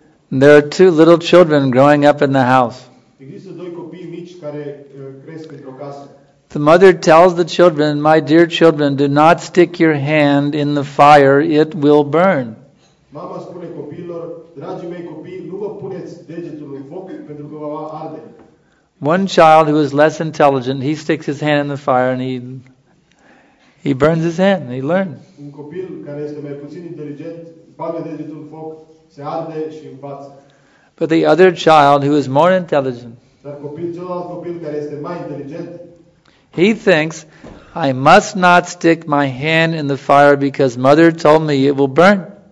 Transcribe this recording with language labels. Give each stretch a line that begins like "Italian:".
English: There are two little children growing up in the house. The mother tells the children, "My dear children, do not stick your hand in the fire, it will burn."
Romanian: Mama spune copiilor, dragii mei copii, nu vă puneți degetul în foc pentru că va arde.
English: One child who is less intelligent, he sticks his hand in the fire and he burns his hand, he learns.
Romanian: Un copil care este mai puțin inteligent, bagă degetul în foc, se arde și învață.
English: But the other child who is more intelligent,
Romanian: dar copil, celălalt copil care este mai inteligent,
English: he thinks, "I must not stick my hand in the fire because mother told me it will burn."